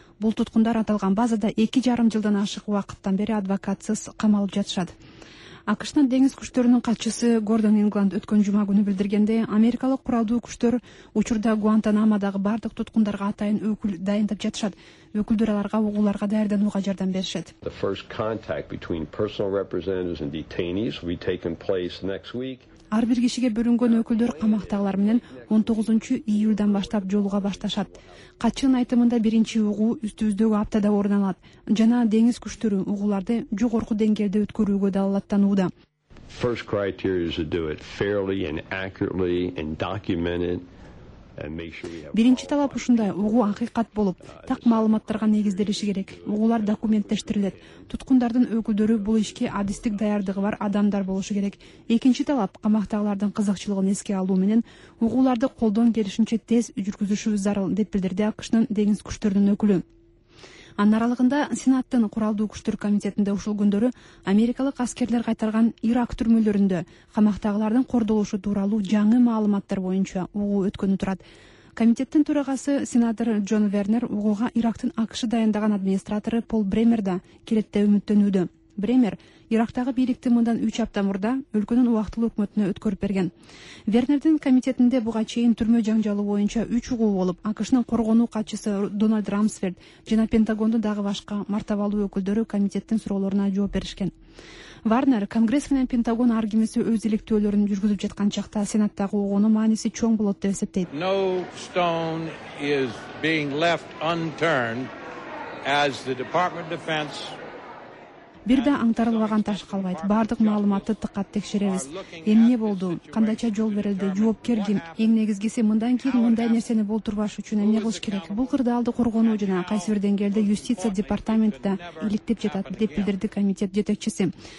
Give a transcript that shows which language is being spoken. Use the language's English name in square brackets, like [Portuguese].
[Kyrgyz] Бул туткундар аталган базада 2.5 жылдан ашык убакыттан бери адвокатсыз камалып жатышат. АКШнын деңиз күчтөрүнүн катчысы Гордон Ингланд өткөн жума күнү билдиргендей, Америкалык куралдуу күчтөр учурда Гуантанамодагы бардык туткундарга атайын өкүл дайындап жатышат. Өкүлдөр аларга угууларга даярданууга жардам беришет. [English] The first contact between personal representatives and detainees will be taken place next week. [Kyrgyz] Ар бир кишиге бөлүнгөн өкүлдөр камактагылар менен 19-июлдан баштап жолуга башташат. Катчынын айтымында биринчи угуу үстүбүздөгү аптада орун алат жана деңиз күчтөрү угууларды жогорку деңгээлде өткөрүүгө далалаттанууда. [English] First criteria is to do it fairly and accurately and documented. [Kyrgyz] Биринчи талап ушундай угуу акыйкат болуп, так маалыматтарга негизделиши керек. Угуулар документтештирилет. Туткундардын өкүлдөрү бул ишке адистик даярдыгы бар адамдар болушу керек. Экинчи талап камактагылардын кызыкчылыгын эске алуу менен угууларды колдон келишинче тез жүргүзүшүбүз зарыл деп билдирди АКШнын деңиз күчтөрүнүн өкүлү. Анын аралыгында Сенаттын куралдуу күчтөр комитетинде ушул күндөрү америкалык аскерлер кайтарган Ирак түрмөлөрүндө камактагылардын кордолушу тууралуу жаңы маалыматтар боюнча угуу өткөнү турат. Комитеттин төрагасы сенатор Джон Вернер угууга Ирактын АКШ дайындаган администратору Пол Бремер да келет деп үмүттөнүүдө. Бремер Ирактагы бийликти мындан 3 апта мурда өлкөнүн убактылуу өкмөтүнө өткөрүп берген. Вернердин комитетинде буга чейин түрмө жаңжалы боюнча 3 угуу болуп, АКШнын коргонуу катчысы Дональд Рамсфельд жана Пентагондун дагы башка мартабалуу өкүлдөрү комитеттин суроолоруна жооп беришкен. Варнер Конгресс менен Пентагон аргимиси өз электөөлөрүн жүргүзүп жаткан чакта Сенаттагы угуунун мааниси чоң болот деп эсептейт. [English] No stone is being left unturned as the Department of Defense. [Kyrgyz] Бир да аңтарылбаган таш калбайт. Бардык маалыматты тыкат текшеребиз. Эмне болду? Кандайча жол берилди? Жоопкер ким? Эң негизгиси мындан кийин мындай нерсени болтурбаш үчүн эмне кылыш керек? Бул кырдаалды коргоону жана кайсы бир деңгээлде юстиция департаменти да иликтеп жатат деп билдирди комитет жетекчиси.